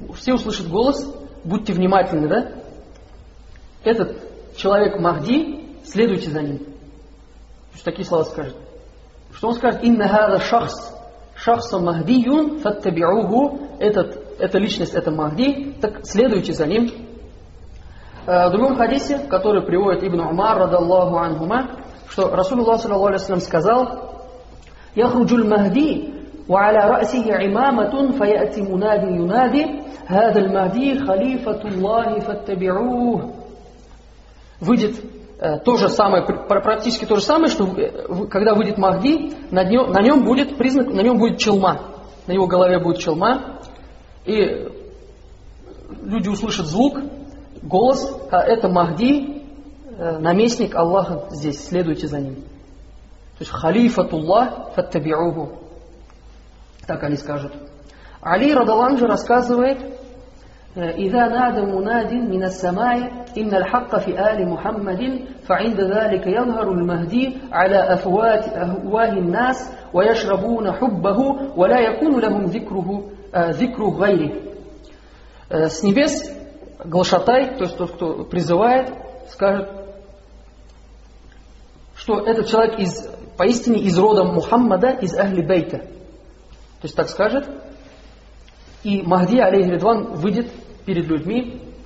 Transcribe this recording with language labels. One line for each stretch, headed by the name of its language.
Russian: Все услышат голос: «Будьте внимательны, да? Этот человек Махди, следуйте за ним». Такие слова скажет. Что он скажет?
Arabic: «Инна хаза шахс, шахса махдийюн фаттабиугу».
Russian: Эта личность, это Махди, так следуйте за ним. В другом хадисе, который приводит Ибн Умар, радаллаху анхума, что Расулуллах, саллаллаху алейхи ва саллям, сказал:
Arabic: يخرج المهدي وعلى رأسه عمامة فيأتي منادي ينادي هذا المهدي خليفة الله فاتبعوه.
Russian: Выйдет то же самое, практически то же самое, что когда выйдет Махди, на нем будет признак, на нем будет челма. На его голове будет челма. И люди услышат звук, голос, а это Махди, наместник Аллаха здесь, следуйте за ним. То есть
Arabic: халифатуллах фаттабиуху.
Russian: Так они скажут. Али Радаланджи рассказывает,
Arabic: إذا نادى مناد من السماء إن الحق في آل محمد فعند ذلك يظهر المهدي على أفواه الناس ويشربون حبه ولا يكون لهم ذكره ذكر غيره.
Russian: С небес глашатай, то есть тот, кто призывает, скажет, что этот человек из поистине из рода Мухаммада, из Ахли Бейта. То есть так скажет. И Махди, алейхи ридван, выйдет перед людьми.